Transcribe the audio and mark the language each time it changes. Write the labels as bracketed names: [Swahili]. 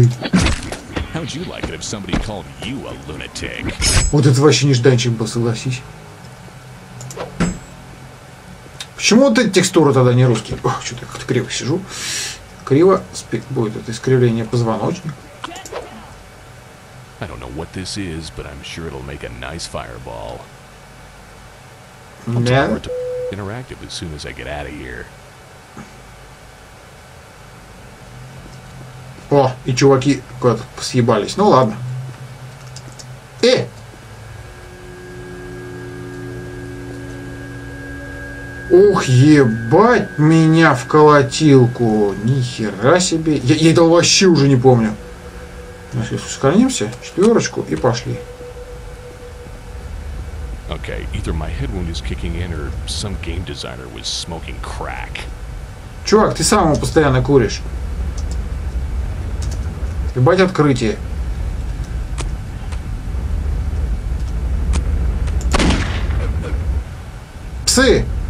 [English] How'd you like it if somebody called you a lunatic? [Russian] Вот это вообще нежданчик был, согласись. Почему вот эти текстуры тогда не русские? О, что-то я как-то криво сижу. Криво будет это искривление позвоночника. [English] I don't know what this is, but I'm sure it'll make a nice fireball. I'll tell her to interactive as soon as I get out of here. [Russian] О, и чуваки куда-то съебались. Ну ладно. Ух, ебать меня в колотилку. Нихера себе. Я это вообще уже не помню. Ну, если сохранимся, четверочку и пошли. [English] Okay, either my head wound is kicking in or some game designer was smoking crack. [Russian] Чувак, ты сам его постоянно куришь. Ебать открытие. Псы!